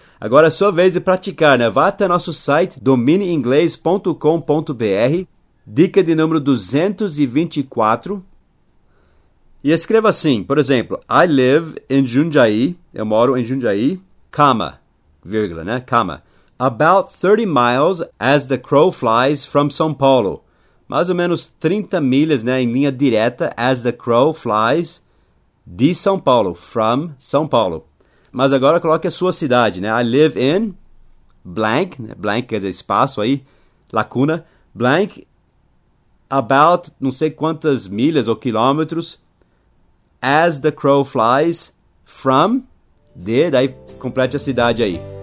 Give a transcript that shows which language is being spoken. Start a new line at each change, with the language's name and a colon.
Portuguese: Agora é sua vez de praticar, né? Vá até nosso site, dominioinglês.com.br, dica de número 224. E escreva assim, por exemplo,
English: I live in Jundiaí,
Portuguese: eu moro em Jundiaí, comma, vírgula, né?
English: Comma. About 30 miles as the crow flies from São Paulo.
Portuguese: Mais ou menos 30 milhas, né, em linha direta,
English: as the crow flies,
Portuguese: de São Paulo,
English: from São Paulo.
Portuguese: Mas agora coloque a sua cidade, né?
English: I live in blank,
Portuguese: né, blank quer dizer espaço aí, lacuna, blank, about não sei quantas milhas ou quilômetros,
English: as the crow flies,
Portuguese: from, de, daí complete a cidade aí.